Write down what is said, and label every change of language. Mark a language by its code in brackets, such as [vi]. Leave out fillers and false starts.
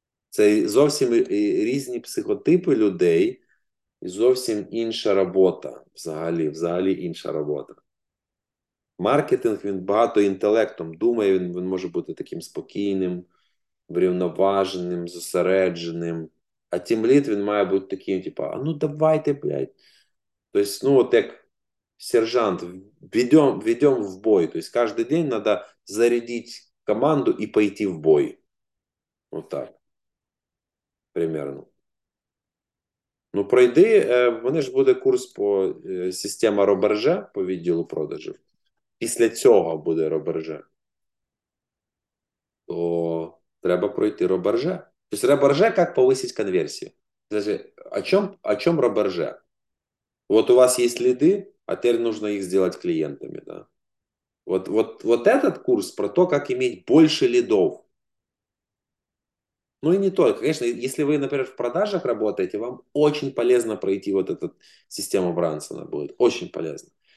[uk] Це зовсім різні психотипи людей, і зовсім інша робота взагалі, взагалі інша робота. Маркетинг, він багато інтелектом думає, він може бути таким спокійним, врівноваженим, зосередженим. А тімлід, він має бути таким, типу, а ну давайте, блядь. Тобто, ну, от як сержант, ведем в бой. Тобто, кожен день треба зарядити команду і пойти в бой. Ось так. Примерно. Ну, пройди, мене ж буде курс по системі Роберже по відділу продажів. Після цього буде Роберже. То треба пройти Роберже. Тобто, Роберже, як повисити конверсію? Значить, о чому Роберже? [ru] Вот у вас есть лиды, а теперь нужно их сделать клиентами. Да? Вот этот курс про то, как иметь больше лидов. Ну и не только. Конечно, если вы, например, в продажах работаете, вам очень полезно пройти вот эту систему Брансона будет. Очень полезно.